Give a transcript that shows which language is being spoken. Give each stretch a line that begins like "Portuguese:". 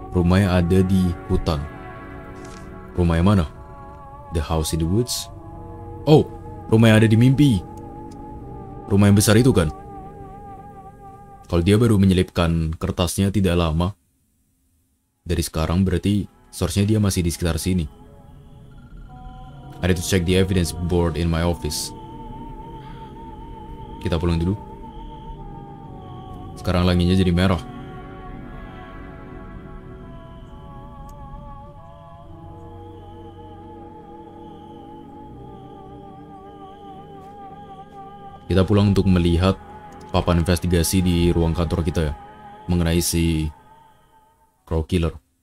Indonesian: Rumah yang ada di hutan. Rumah yang mana?
English: The house in the woods.
Indonesian: Oh, rumah yang ada di mimpi. Rumah yang besar itu kan? Kalau dia baru menyelipkan kertasnya tidak lama dari sekarang, berarti source-nya dia masih di sekitar sini.
English: I need to check the evidence board in my office.
Indonesian: Kita pulang dulu. Sekarang langitnya jadi merah. Kita pulang untuk melihat papan investigasi di ruang kantor kita ya, mengenai si Crow Killer.